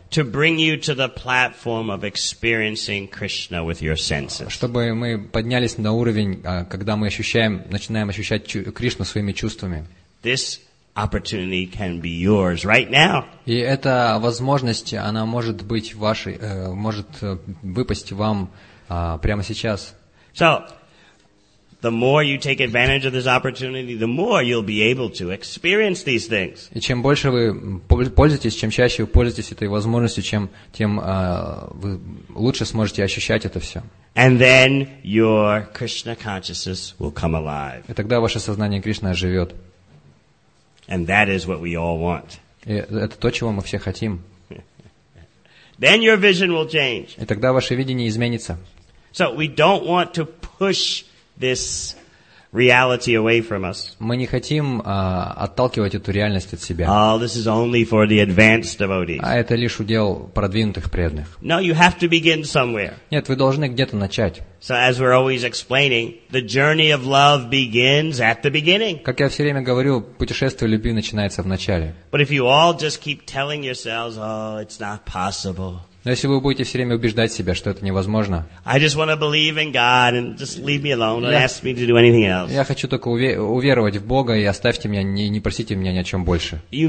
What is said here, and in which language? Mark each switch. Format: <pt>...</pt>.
<en>To bring you to the platform of experiencing Krishna with your senses.</en> <ru>Чтобы мы поднялись на уровень, когда мы начинаем ощущать Кришну своими чувствами.</ru> <en>This opportunity can be yours right now.</en> <ru>И эта возможность, она может быть вашей, может выпасть вам прямо сейчас.</ru> <en>So, the more you take advantage of this opportunity, the more you'll be able to experience these things.</en> <ru>И чем больше вы пользуетесь, чем чаще вы пользуетесь этой возможностью, тем вы лучше сможете ощущать это все.</ru> <en>And then your Krishna consciousness will come alive.</en> <ru>И тогда ваше сознание Кришны оживет.</ru> <en>And that is what we all want.</en> <ru>И это то, чего мы все хотим.</ru> <en>Then your vision will change.</en> <ru>И тогда ваше видение изменится.</ru> <en>So we don't want to push this reality away from us.</en> <ru>Мы не хотим отталкивать эту реальность от себя.</ru> <en>Oh, this is only for the advanced devotees.</en> <ru>А это лишь удел продвинутых преданных.</ru> <en>No, you have to begin somewhere.</en> <ru>Нет, вы должны где-то начать.</ru> <en>So as we're always explaining, the journey of love begins at the beginning.</en> <ru>Как я все время говорю, путешествие любви начинается в начале.</ru> <en>But if you all just keep telling yourselves, oh, it's not possible.</en> <ru>Но если вы будете все время убеждать себя, что это невозможно, я хочу только уверовать в Бога и оставьте меня, не просите меня ни о чем больше.</ru>